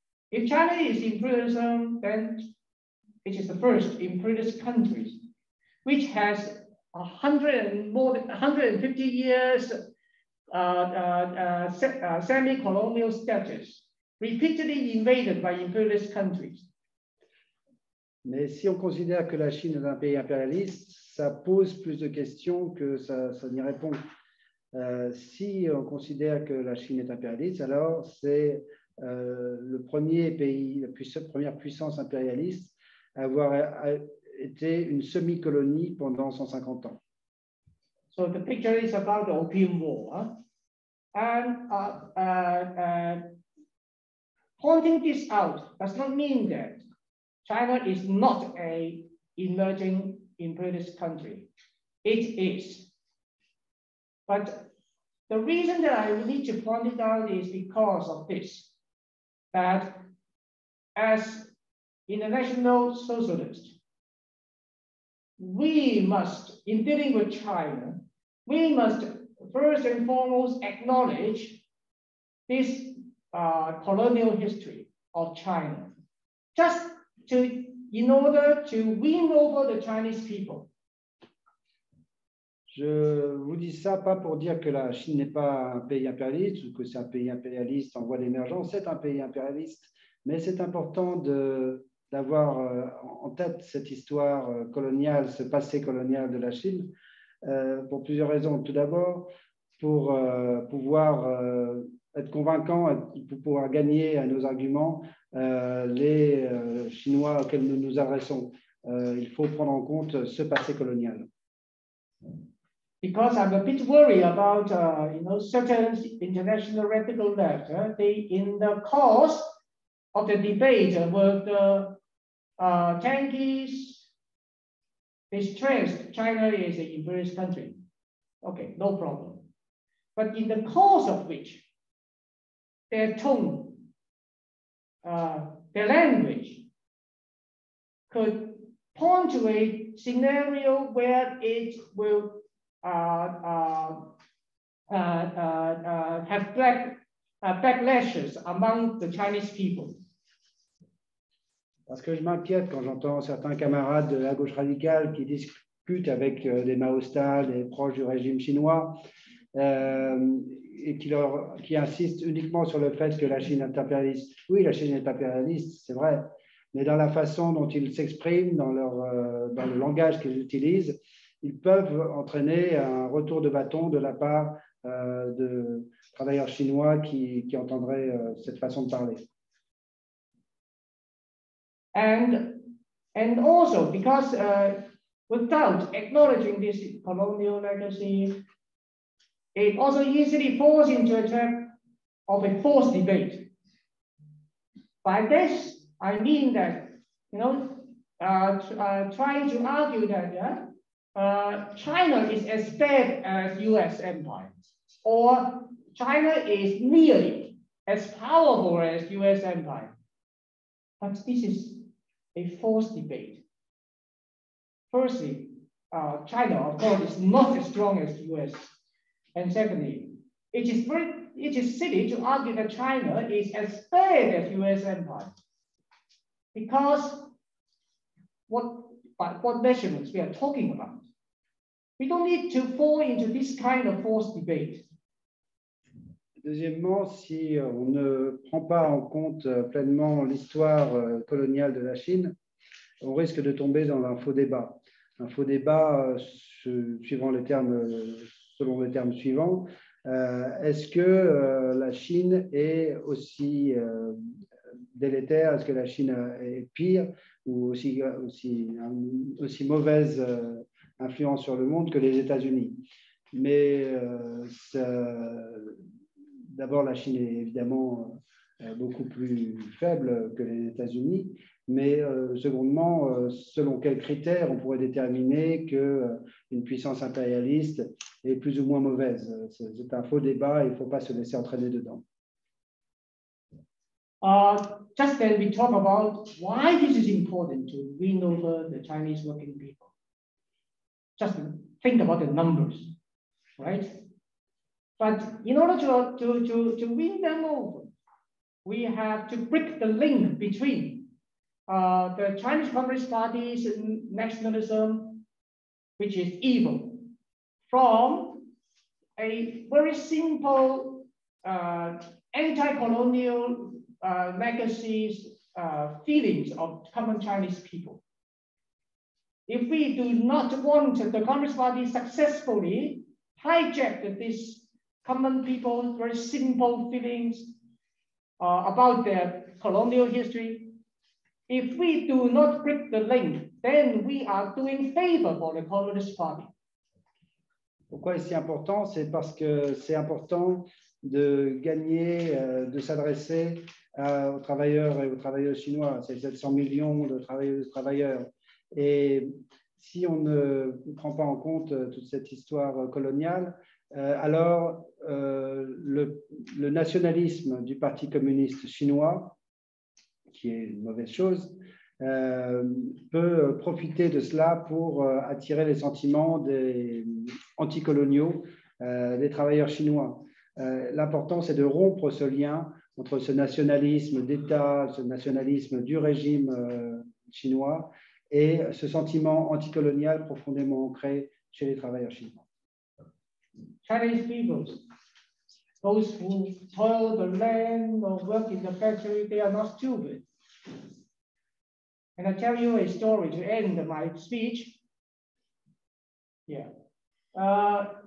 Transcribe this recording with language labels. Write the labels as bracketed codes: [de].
[en] If China is imperialism, then it is the first imperialist country, which has a hundred and more than 150 years semi-colonial status, repeatedly invaded by imperialist countries. [fr] Mais si on considère que la Chine est un pays impérialiste, ça pose plus de questions que ça n'y répond. Si on considère que la Chine est impérialiste, alors c'est le premier pays, la première puissance impérialiste à avoir été une semi-colonie pendant 150 ans. [en] So the picture is about the Opium War. Huh? And pointing this out does not mean that China is not an emerging imperialist country. It is. But the reason that I need to point it out is because of this, that as international socialists, we must, in dealing with China, we must first and foremost acknowledge this colonial history of China, just to, in order to win over the Chinese people. [fr] Je vous dis ça pas pour dire que la Chine n'est pas un pays impérialiste ou que c'est un pays impérialiste en voie d'émergence. C'est un pays impérialiste, mais c'est important d'avoir en tête cette histoire coloniale, ce passé colonial de la Chine, pour plusieurs raisons. Tout d'abord, pour pouvoir être convaincant, pour pouvoir gagner à nos arguments les Chinois auxquels nous nous adressons. Il faut prendre en compte ce passé colonial. [en] Because I'm a bit worried about certain international radical left, they in the course of the debate with the tankies, they stressed China is an imperialist country. Okay, no problem. But in the course of which their tone, their language could point to a scenario where it will have black backlashes among the Chinese people. [fr] Parce que je m'inquiète quand j'entends certains camarades de la gauche radicale qui discutent avec des maoïstes, des proches du régime chinois, et qui insistent uniquement sur le fait que la Chine est impérialiste. Oui, la Chine est impérialiste, c'est vrai, mais dans la façon dont ils s'expriment, dans le langage qu'ils utilisent, ils peuvent entraîner un retour de bâton de la part de travailleurs chinois qui entendraient cette façon de parler. [en] And also because without acknowledging this colonial legacy, it also easily falls into a trap of a forced debate. By this, I mean that, trying to argue that, yeah, China is as bad as US empire, or China is nearly as powerful as US empire. But this is a false debate. Firstly, China, of course, is not as strong as US. And secondly, it is silly to argue that China is as bad as US empire. Because what measurements we are talking about? We don't need to fall into this kind of false debate. [fr] Deuxièmement, si on ne prend pas en compte pleinement l'histoire coloniale de la Chine, on risque de tomber dans un faux débat. Un faux débat, selon les termes suivants, est-ce que la Chine est aussi délétère, est-ce que la Chine est pire ou aussi mauvaise influence sur le monde que les États-Unis? Mais d'abord, la Chine est évidemment beaucoup plus faible que les États-Unis, mais secondement, selon quels critères on pourrait déterminer qu'une puissance impérialiste est plus ou moins mauvaise? C'est un faux débat, il ne faut pas se laisser entraîner dedans. [en] Just then we talk about why this is important to win over the Chinese working people. Just think about the numbers, right? But in order to win them over, we have to break the link between the Chinese Communist Party's nationalism, which is evil, from a very simple anti-colonial legacies, feelings of common Chinese people. If we do not want the Communist Party successfully hijacked this common people's very simple feelings about their colonial history, if we do not break the link, then we are doing favor for the Communist Party. [fr] Pourquoi est-ce important? C'est parce que c'est important de gagner, de s'adresser aux travailleurs et aux travailleuses chinois, ces 700 millions de travailleurs. Et si on ne prend pas en compte toute cette histoire coloniale, alors le nationalisme du Parti communiste chinois, qui est une mauvaise chose, peut profiter de cela pour attirer les sentiments des anticoloniaux, des travailleurs chinois. L'important, c'est de rompre ce lien entre ce nationalisme d'État, ce nationalisme du régime chinois et ce sentiment anticolonial profondément ancré chez les travailleurs chinois. [en] Chinese people, those who toil the land or work in the factory, they are not stupid. And I tell you a story to end my speech. Yeah.